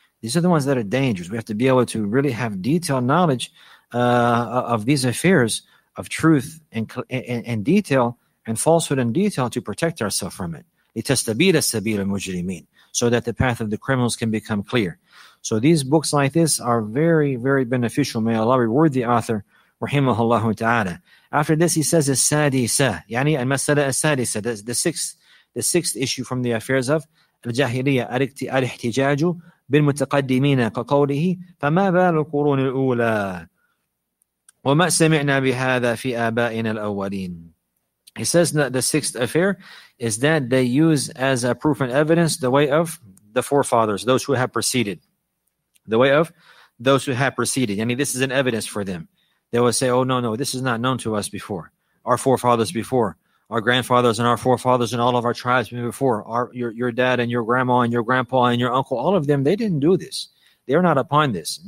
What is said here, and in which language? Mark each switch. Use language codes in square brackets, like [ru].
[en] These are the ones that are dangerous. We have to be able to really have detailed knowledge of these affairs of truth and detail and falsehood in detail to protect ourselves from it. [ar] لِتَسْتَبِيلَ السَّبِيلَ الْمُجْرِمِينَ. [en] So that the path of the criminals can become clear. So these books like this are very, very beneficial. May Allah reward the author, rahimahullah ta'ala. After this, he says, [ar] السادسة, يعني المسألة السادسة, [en] the sixth issue from the affairs of [ar] الجاهلية, الاحتجاج بالمتقدمين كقوله, فما بال القرون الأولى وما سمعنا بهذا في آبائنا الأولين. [en] He says that the sixth affair is that they use as a proof and evidence the way of the forefathers, those who have preceded. The way of those who have preceded. I mean, this is an evidence for them. They will say, oh, no, this is not known to us before. Our forefathers before, our grandfathers and our forefathers and all of our tribes before, your dad and your grandma and your grandpa and your uncle, all of them, they didn't do this. They're not upon this.